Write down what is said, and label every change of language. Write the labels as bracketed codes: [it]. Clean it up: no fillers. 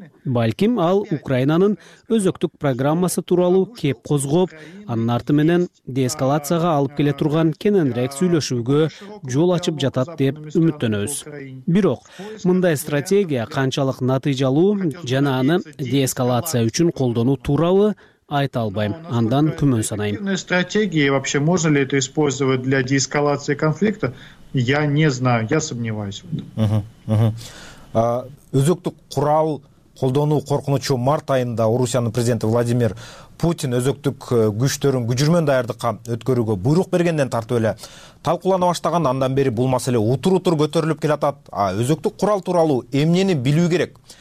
[ky] Балким ал Украинанын өзөктүк программасы тууралуу кеп козгоп, анын арты менен деэскалацияга алып келе турган кененирээк сүйлөшүүгө жол ачып жатат деп үмүттөнөбүз. Бирок мындай стратегия канчалык натыйжалуу жана аны деэскалация үчүн колдонуу тууралуу айта албайм, андан күмөн санайм. [ru] Стратегия вообще можно ли это использовать для деэскалации конфликта? Я не знаю, я сомневаюсь. [ky] Өзөктүк курал колдонуу коркунучу март айында Орусиянын президенти Владимир Путин өзөктүк күчтөрүн күжүрмөн даярдыкка өткөрүүгө буйрук бергенден тартып эле талкуулана баштаган. Андан бери бул маселе утур-утур көтөрүлүп келатат. А өзөктүк курал тууралуу эмнени билүү керек?